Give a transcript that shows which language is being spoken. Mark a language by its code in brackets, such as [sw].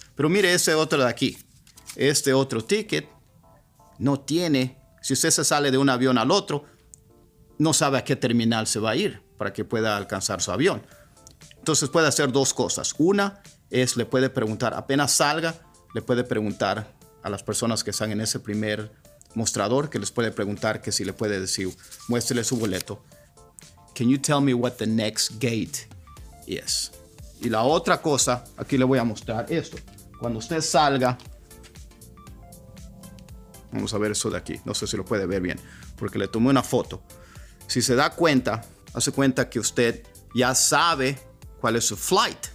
[es] Pero mire ese otro de aquí. Este otro ticket no tiene, si usted se sale de un avión al otro, no sabe a qué terminal se va a ir para que pueda alcanzar su avión. Entonces puede hacer dos cosas. Una es, le puede preguntar, apenas salga, le puede preguntar a las personas que están en ese primer mostrador, que les puede preguntar que si le puede decir, muéstrele su boleto. [en] Can you tell me what the next gate is? [es] Y la otra cosa, aquí le voy a mostrar esto. Cuando usted salga, vamos a ver eso de aquí. No sé si lo puede ver bien, porque le tomé una foto. Si se da cuenta, hace cuenta que usted ya sabe cuál es su flight.